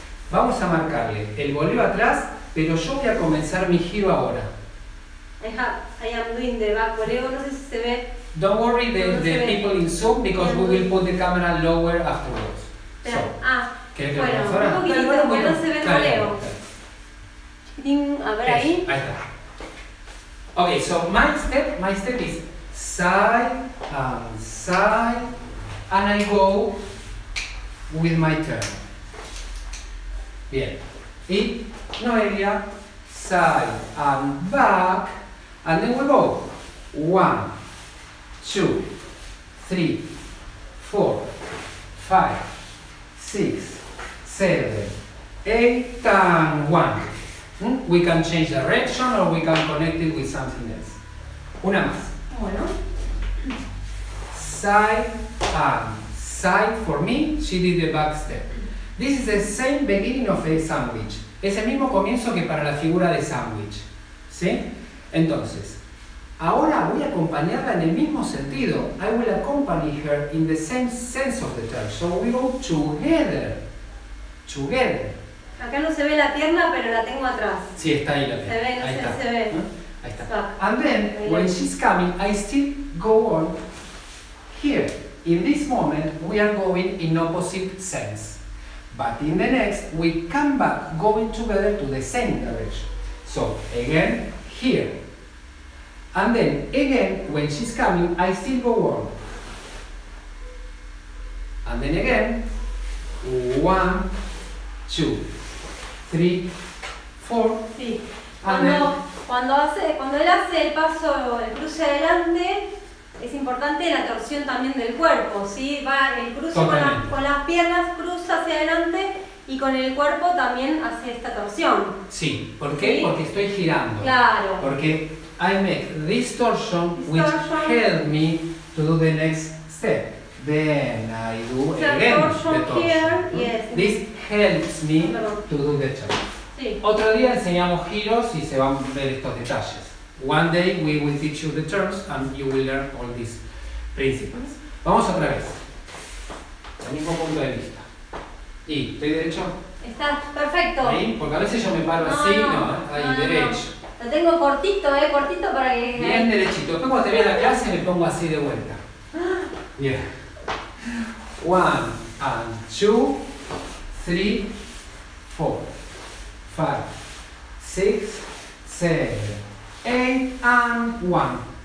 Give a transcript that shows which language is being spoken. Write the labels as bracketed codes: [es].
[es] Vamos a marcarle el voleo atrás, pero yo voy a comenzar mi giro ahora. [en] I am doing the back voleo, [es] no sé si se ve. [en] Don't worry the people in Zoom, because we will put the camera lower afterwards. [es] Un poquito, bueno, no se ve el voleo. A ver, ahí está. [en] Ok, so my step is side and side, and I go with my turn. Bien. Y Noelia, side and back, and then we go. One, two, three, four, five, six, seven, eight, and one. We can change direction or we can connect it with something else. [es] Una más. Bueno. [en] Side and side for me, she did the back step. This is the same beginning of a sandwich. [es] Es el mismo comienzo que para la figura de sandwich. ¿Sí? Entonces, ahora voy a acompañarla en el mismo sentido. [en] I will accompany her in the same sense of the term. So we go together. Together. [es] Acá no se ve la pierna, pero la tengo atrás. Sí, está ahí la pierna. Se ve, no ahí sé, está. Se ve. ¿Eh? Ahí está. Stop. [en] And then, when she's coming, I still go on here. In this moment, we are going in opposite sense. But in the next, we come back going together to the same direction. So, again, here. And then, again, when she's coming, I still go on. And then again, one, two, three, four. [es] Sí. Cuando él hace el paso, el cruce adelante, es importante la torsión también del cuerpo, ¿sí? Va el cruce con las piernas, cruza hacia adelante y con el cuerpo también hace esta torsión. Sí. ¿Por qué? ¿Sí? Porque estoy girando. Claro. [en] Porque I make this torsion which helped me to do the next step. Then I do again the torsion. Here, yes. This helps me to do the job. [es] Sí. Otro día enseñamos giros y se van a ver estos detalles. [en] One day we will teach you the terms and you will learn all these principles. [es] Vamos otra vez. El mismo punto de vista. ¿Y estoy derecho? Está perfecto. ¿Ahí? Porque a veces yo me paro derecho. No. Lo tengo cortito para que... Bien derechito. Después cuando termine la clase me pongo así de vuelta. Bien. [en] One and two, three, four, five, six, seven, eight, and one.